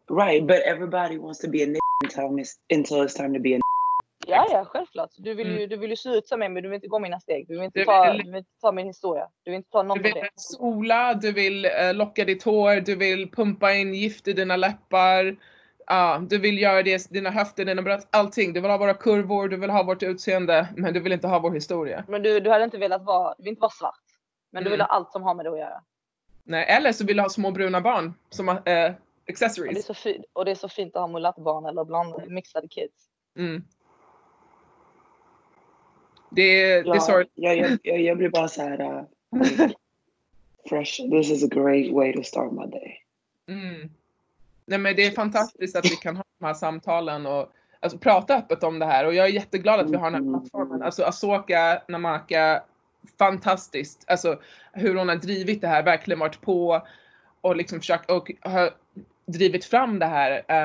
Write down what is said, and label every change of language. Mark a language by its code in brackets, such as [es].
[en] Right, but everybody wants to be a until it's time to be a [sv] Ja, ja, självklart. Du vill ju se ut som mig, men du vill inte gå mina steg. Du vill inte ta min historia. Du vill inte ta någon av det. Du vill sola, du vill locka ditt hår, du vill pumpa in gift i dina läppar. Du vill göra det, dina höfter, dina bröst, allting. Du vill ha våra kurvor, du vill ha vårt utseende, men du vill inte ha vår historia. Men du hade inte velat vara, du vill inte vara svart. Men du vill ha allt som har med det att göra. Nej, eller så vill du ha små bruna barn som accessories. Och det är så fint, och det är så fint att ha mulatt barn eller bland mixade kids. Mm. Det är sorgligt. Jag blir bara så här fresh. [en] This is a great way to start my day. Mm. [sv] Nej, men det är fantastiskt att vi kan ha de här samtalen och alltså, prata öppet om det här. Och jag är jätteglad att vi har den här plattformen. Alltså Ahsoka Namaka, fantastiskt. Alltså hur hon har drivit det här, verkligen varit på och liksom försökt och har drivit fram det här.